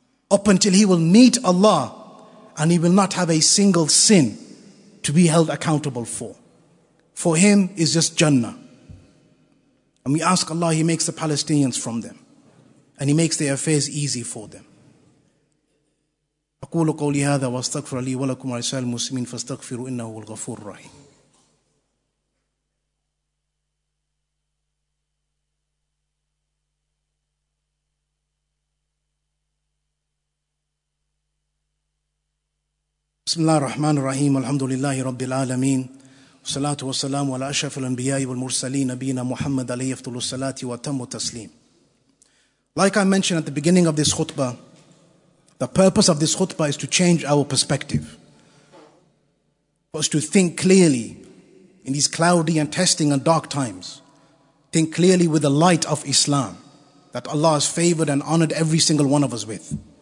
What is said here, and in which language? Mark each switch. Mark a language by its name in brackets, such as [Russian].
[English] Up until he will meet Allah and he will not have a single sin to be held accountable for. For him is just Jannah. And we ask Allah, he makes the Palestinians from them. And he makes their affairs easy for them. [Arabic] أقول قولي هذا واستغفر لي ولكم ولسائر المسلمين فاستغفروا إنه الغفور الرحيم. بسم الله الرحمن الرحيم الحمد لله رب العالمين والصلاة والسلام على أشرف الأنبياء والمرسلين نبينا محمد عليه أفضل الصلاة وتم التسليم. [English] Like I mentioned at the beginning of this khutbah, the purpose of this khutbah is to change our perspective, for us to think clearly in these cloudy and testing and dark times. Think clearly with the light of Islam that Allah has favored and honored every single one of us with.